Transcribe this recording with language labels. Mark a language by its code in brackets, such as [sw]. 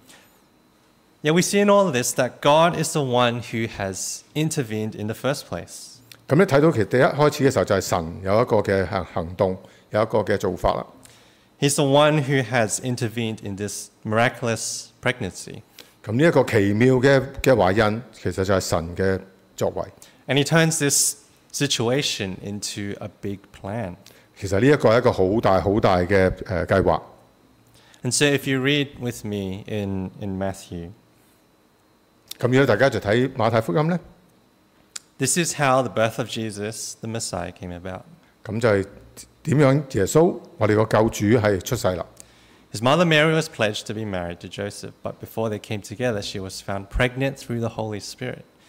[en] We see in all of this that God is the one who has intervened in the first place. [zh] 看到第一開始的時候就是神有一個行動,有一個做法。 [en] He's the one who has intervened in this miraculous pregnancy. [zh] 這個奇妙的懷孕其實就是神的作為。 [en] And he turns this situation into a big plan. [zh] 其實這是一個很大的計劃。 [en] And so if you read with me in Matthew, [zh] 如果大家就看馬太福音呢? [en] This is how the birth of Jesus, the Messiah, came about. [zh] 就是怎樣耶穌,我們的救主是出生了。 [en] His mother Mary was pledged to be married to Joseph, but before they came together, she was found pregnant through the Holy Spirit.